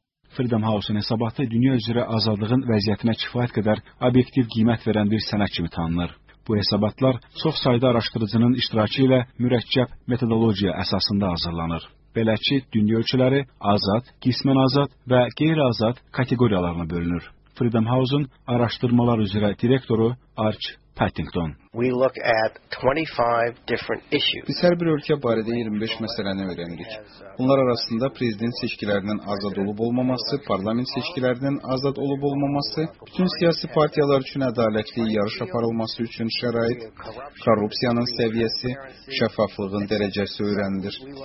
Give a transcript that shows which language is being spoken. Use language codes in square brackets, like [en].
[az] Freedom House-un hesabatı dünya üzrə azadlığın vəziyyətinə kifayət qədər obyektiv qiymət verən bir sənəd kimi tanınır. Bu hesabatlar çox sayda araşdırıcının iştirakı ilə mürəkkəb metodologiya əsasında hazırlanır. Belə ki, dünya ölkələri azad, qismən azad və qeyri-azad kateqoriyalarına bölünür. Freedom House-un araşdırmalar üzrə direktoru Arch Pattington. [en] We look at 25 different issues. [az] Biz hər bir ölkə barədə 25 məsələni öyrəndik. Bunlar arasında prezident seçkilərinin azad olub olmaması, parlament seçkilərinin azad olub olmaması, bütün siyasi partiyalar üçün ədalətli yarış aparılması üçün şərait, korrupsiyanın səviyyəsi, şəffaflığın dərəcəsi öyrənilir.